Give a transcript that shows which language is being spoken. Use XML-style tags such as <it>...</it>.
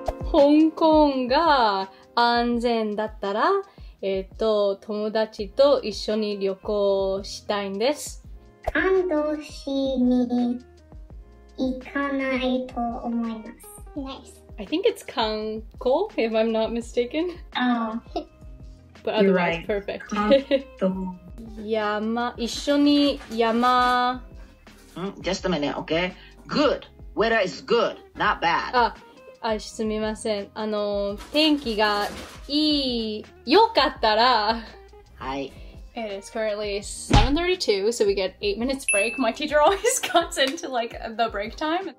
<ja>香港が安全だったら、友達と一緒に旅行したいんです。感動しに行かないと思います。</ja> <en>Nice. I think it's 観光, if I'm not mistaken. But otherwise, you're right. Perfect.</en> <ja>山、一緒に山。Mm,</ja> <en>just a minute, okay? Good. Weather is good, not bad.</en> <ja>あ、すみません。天気がいい、よかったら。はい。</ja> <en>It is currently 7:32, so we get 8 minutes break. My teacher always cuts into, like, the break time.</en>